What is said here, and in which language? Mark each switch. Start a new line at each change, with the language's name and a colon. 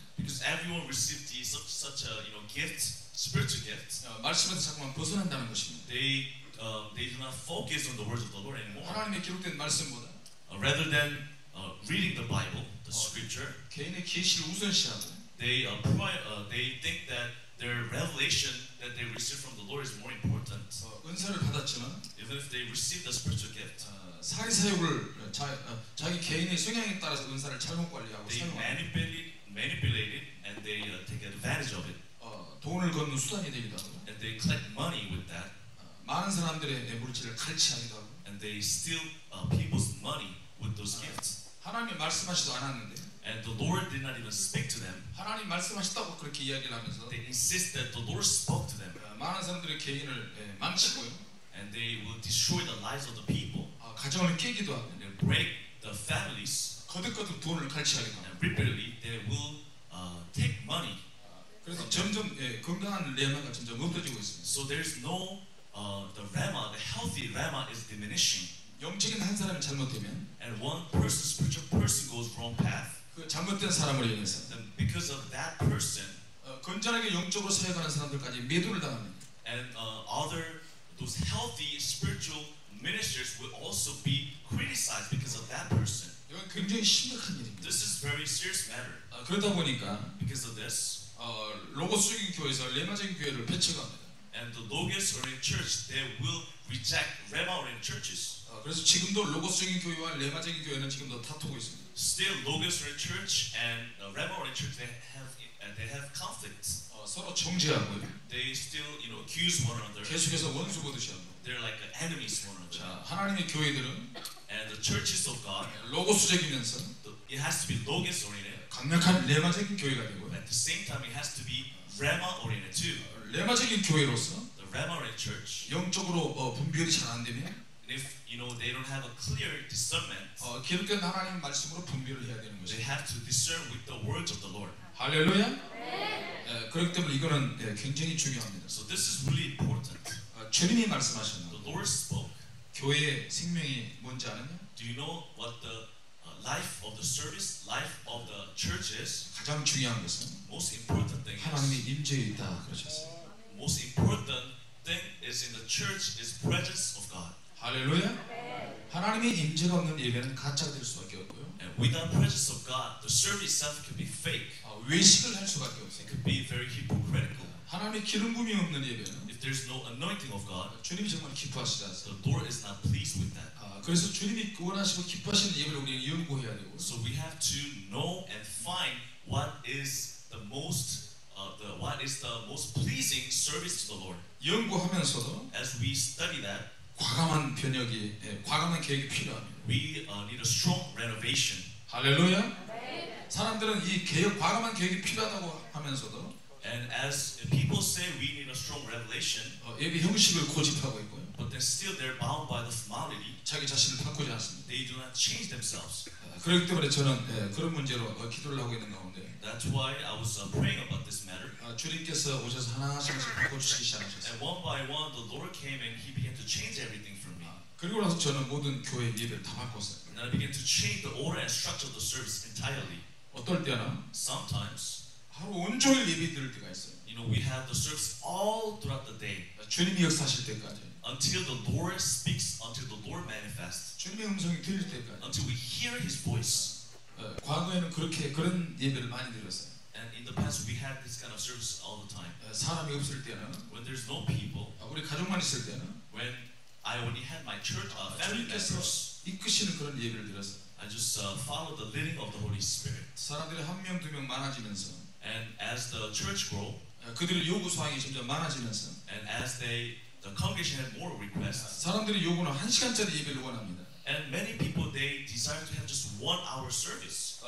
English: because everyone received the such a you know gift spiritual gift
Korean: 말씀에서 자꾸만 벗어난다는 것입니다
English: They do not focus on the words of the Lord anymore.
Korean: 하나님의 기록된 말씀보다,
English: rather than reading the Bible, the Scripture,
Korean: 개인의 계시를 우선시하고,
English: they think that their revelation that they receive from the Lord. glory is more important.
Korean: 은사를 받았지만,
English: even if they receive the spiritual gift,
Korean: 사리 사역을 자기 개인의 성향에 따라서 은사를 잘못 관리하고 사용하고,
English: they manipulate it and they take advantage of it.
Korean: 돈을 걷는 수단이 되기도 하고,
English: and they collect money with that.
Korean: 많은 사람들의 내물질을 갈취하기도 하고,
English: and they steal people's money with those gifts.
Korean: 하나님이 말씀하시지도 않았는데.
English: And the Lord did not even speak to them.
Korean: 하나님 말씀하셨다고 그렇게 이야기를 하면서.
English: They insist that the Lord spoke to them.
Korean: 많은 사람들의 개인을 망치고요.
English: And they will destroy the lives of the people.
Korean: 가정을 깨기도 하고.
English: And they break the families.
Korean: 거듭거듭 돈을 갈취하기도 하고.
English: And repeatedly they will take money.
Korean: 그래서 점점 건강한 레마가 점점 없어지고 있습니다.
English: So there's no the rema, the healthy rema is diminishing.
Korean: 영적인 한 사람이 잘못되면,
English: and one person, spiritual person goes wrong path.
Korean: 그 잘못된 사람을 인해서,
English: then because of that person,
Korean: 건전하게 영적으로 사역하는 사람들까지 매도를 당합니다.
English: And other those healthy spiritual ministers will also be criticized because of that person.
Korean: 이건 굉장히 심각한 일입니다.
English: This is very serious matter.
Korean: 그러다 보니까,
English: because of this,
Korean: 로고스적인 교회에서 레마적인 교회를 배척합니다.
English: And the logos or in church, they will reject rema or in churches.
Korean: 그래서 지금도 로고스적인 교회와 레마적인 교회는 지금도 다투고 있습니다.
English: Still, logos or church and rema or church, they have conflicts.
Korean: 서로 정죄하고.
English: They still, you know, accuse one another.
Korean: 계속해서 원수 보듯이하고.
English: They're like enemies one another.
Korean: 자, 하나님의 교회들은
English: and the churches of God,
Korean: 로고스적이면서
English: it has to be logos oriented.
Korean: 강력한 레마적인 교회가 되고.
English: At the same time, it has to be rema oriented too.
Korean: 레마적인 교회로서
English: the rema or church
Korean: 영적으로 분별이 잘 안 되면.
English: If you know they don't have a clear discernment,
Korean: 기독교는 하나님 말씀으로 분별을 해야 되는 거죠.
English: They have to discern with the words of the Lord.
Korean: 할렐루야. 네. 그렇기 때문에 이거는 굉장히 중요합니다.
English: So this is really important.
Korean: 주님이 말씀하셨나요?
English: The Lord spoke.
Korean: 교회의 생명이 뭔지 아느냐?
English: Do you know what the life of the service, life of the church is?
Korean: 가장 중요한 것은
English: most important thing.
Korean: 하나님의 임재에 있다 그러셨어요.
English: Most important thing is in the church is presence of God.
Korean: 할렐루야. 하나님의 임재가 없는 예배는 가짜가 될 수밖에 없고요.
English: And without presence of God, the service itself could be fake.
Korean: 외식을 할 수밖에 없어요.
English: It could be very hypocritical.
Korean: 하나님의 기름부음이 없는 예배는
English: if there's no anointing of God,
Korean: 주님이 정말 기뻐하시지 않아서
English: the Lord is not pleased with that.
Korean: 그래서 주님이 원하시고 기뻐하시는 예배를 우리는 연구해야 되고.
English: So we have to know and find what is the most what is the most pleasing service to the Lord.
Korean: 연구하면서도
English: as we study that.
Korean: 과감한 변혁이, 과감한 계획이 필요합니다.
English: We need a strong renovation.
Korean: 할렐루야. 사람들은 이 개혁, 과감한 계획이 필요하다고 하면서도,
English: and as people say we need a strong revelation,
Korean: 예배 형식을 고집하고 있고요.
English: But they still they're bound by the formality.
Korean: 자기 자신을 바꾸지 않습니다.
English: They do not change themselves.
Korean: 그렇기 때문에 저는 그런 문제로 기도를 하고 있는 가운데,
English: that's why I was praying about this matter.
Korean: 주님께서 오셔서 하나하나씩 바꿔주시기 시작하셨어요.
English: And one by one, the Lord came and He began to change everything for me.
Korean: 그리고 나서 저는 모든 교회 예배를 다 바꿨어요.
English: And I began to change the order and structure of the service entirely.
Korean: 어떨 때나,
English: sometimes,
Korean: 하루 온종일 예배 들을 때가 있어요.
English: You know, we have the service all throughout the day.
Korean: 주님이 역사하실 때까지.
English: Until the Lord speaks, until the Lord manifests.
Korean: 주님의 음성이 들릴 때까지.
English: Until we hear His voice.
Korean: 과거에는 그렇게 그런 예배를 많이 들었어요.
English: And in the past, we had this kind of service all the time.
Korean: 사람이 없을 때는.
English: When there's no people.
Korean: 우리 가족만 있을 때는.
English: When I only had my church, family members.
Korean: 주님께서 이끄시는 그런 예배를 들었어요.
English: I just followed the leading of the Holy Spirit.
Korean: 사람들이 한 명 두 명 많아지면서.
English: And as the church grow,
Korean: 그들의 요구 사항이 점점 많아지면서,
English: and as the congregation had more requests,
Korean: 사람들의 요구는 한 시간짜리 예배를 원합니다.
English: And many people they desire to have just 1 hour service.